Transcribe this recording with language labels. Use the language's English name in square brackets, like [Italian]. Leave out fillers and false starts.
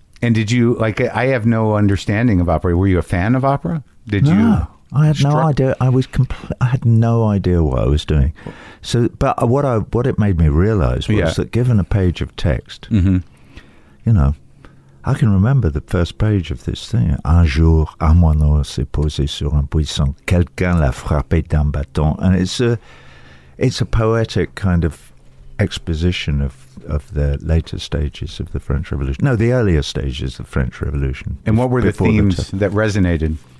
[English] And did you, I have no understanding of opera. Were you a fan of opera? I had no idea what I was doing. So, but what it made me realize was that given a page of text, you know, I can remember the first page of this thing. [French] Un jour, un moineau s'est posé sur un buisson. Quelqu'un l'a frappé d'un bâton. [English] And it's a poetic kind of exposition of the later stages of the French Revolution. No, the earlier stages of the French Revolution. And what were the themes that resonated?